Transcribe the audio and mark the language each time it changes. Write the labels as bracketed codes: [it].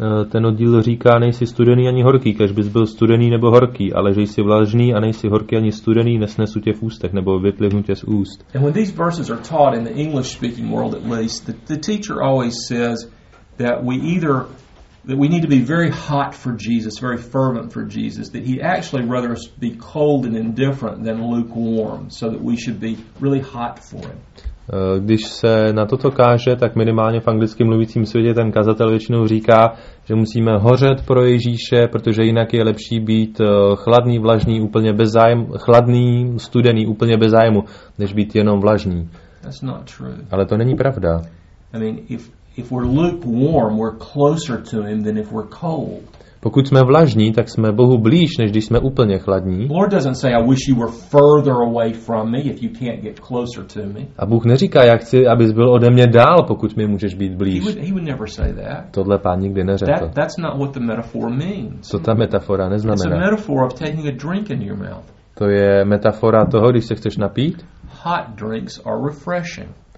[cs] Ten oddíl říká, nejsi studený ani horký, kež bys byl studený nebo horký, ale že jsi vlažný a nejsi horký ani studený, nesnesu tě v ústech, nebo vyplivnu tě z úst. [en] And when these verses are taught in the English speaking world at least, the teacher always says that we need to be very hot for Jesus, very fervent for Jesus, that he'd actually rather us be cold and indifferent than lukewarm, so that we should be really hot for him. [cs] Když se na toto káže, tak minimálně v anglicky mluvícím světě ten kazatel většinou říká, že musíme hořet pro Ježíše, protože jinak je lepší být chladný, vlažný, úplně bez zájmu, chladný, studený, úplně bez zájmu, než být jenom vlažný. [en] That's not true. [cs] Ale to není pravda. [en] I mean, if we're lukewarm, we're closer to him than if we're cold. [cs] Pokud jsme vlažní, tak jsme Bohu blíž, než když jsme úplně chladní. [en] Lord doesn't say, I wish you were further away from me if you can't get closer to me. [cs] A Bůh neříká, já chci, abys byl ode mě dál, pokud mi můžeš být blíž. [en] He would never say that. [cs] Tohle Pán nikdy neřekl. [en] That's not what the metaphor means. [cs] To ta metafora neznamená. [en] It's a metaphor of taking a drink into your mouth. [cs] To je metafora toho, když se chceš napít. [en] Hot drinks are refreshing.